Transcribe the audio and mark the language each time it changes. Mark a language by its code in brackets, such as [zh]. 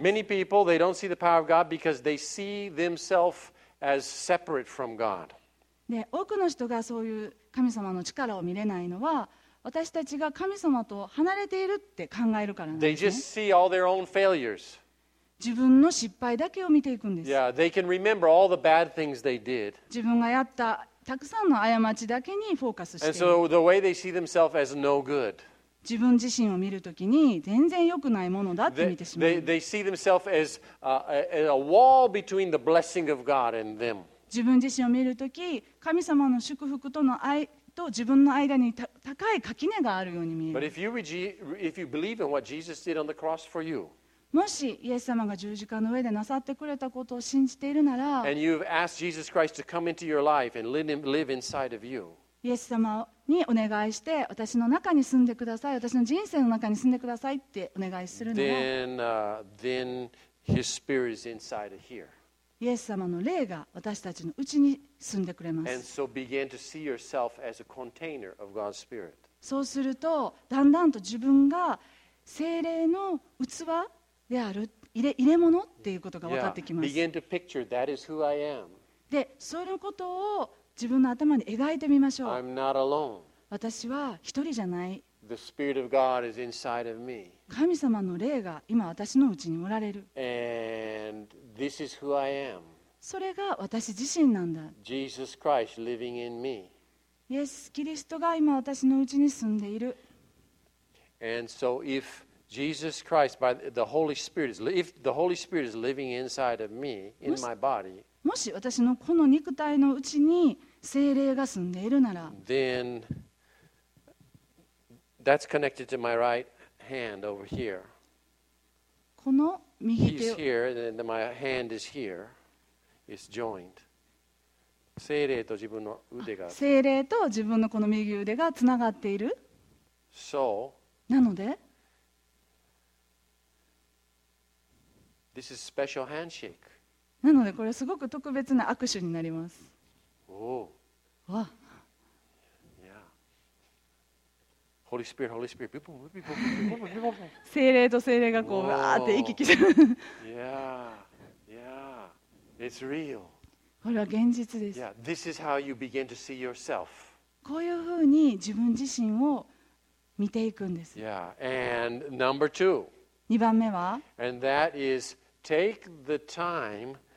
[en] Yeah, many people, they don't see the power of God because they see themselves as separate from God. [ja] で、多くの人がそういう神様の力を見れないのは、私たちが神様と離れているって考えるからなんですね。 [en] They just see all their own failures. [ja] 自分の失敗だけを見ていくんです。 [en] Yeah, they can remember all the bad things they did. [ja] 自分がやったたくさんの過ちだけにフォーカスして。 [en] And so the way they see themselves as no good. [ja] 自分自身を見るときに全然良くないものだって見てしまう。 [en] They see themselves as a wall between the blessing of God and them. [ja] 自分自身を見るとき、神様の祝福とのと自分の間に高い垣根があるように見える。 [en] But if you if you believe in what Jesus did on the cross for you, [ja] もしイエス様が十字架の上でなさってくれたことを信じているなら、 [en] and you've asked Jesus Christ to come into your life and live inside of you. [ja] イエス様にお願いして私の中に住んでください、私の人生の中に住んでくださいってお願いするのは、 [en] then his spirit is inside of here. [ja] イエス様の霊が私たちの内に住んでくれます。 [en] and so begin to see yourself as a container of God's spirit. [ja] そうするとだんだんと自分が聖霊の器である入れ物っていうことが分かってきます。 yeah. [en] Begin to picture that is who I am. [ja] でそのことを自分の頭に描いてみましょう。 [en] I'm not alone. [ja] 私は一人じゃない。 [en] The Spirit of God is inside of me. [ja] 神様の霊が今私のうちにおられる。 [en] And this is who I am. [ja] それが私自身なんだ。 [en] Jesus Christ living in me. [ja] イエス・キリストが今私のうちに住んでいる。 [en] And so if Jesus Christ by the Holy Spirit, if the Holy Spirit is living inside of me, in my body, [ja] もし私のこの肉体のうちに聖霊が住んでいるなら、 [en] then that's connected to my right hand over here. [ja] この右手。 [en] He's here, and my hand is here. It's joined. [ja] 聖霊と自分の腕が。聖霊と自分のこの右腕がつながっている。 [en] So. [ja] なので。 [en] This is special handshake. [ja] なのでこれすごく特別な握手になります。おお。わ。 Yeah. [en] Holy Spirit, Holy Spirit, people, people, people, people. [ja] 聖霊と聖霊がこうわーって行き来する。 [en] Yeah, yeah, it's real. [ja] これは現実です。 [en] Yeah, this is how you begin to see yourself. [ja] こういうふうに自分自身を見ていくんです。 [en] Yeah, and number two. [ja] 二番目は。 [en] And that is take the time.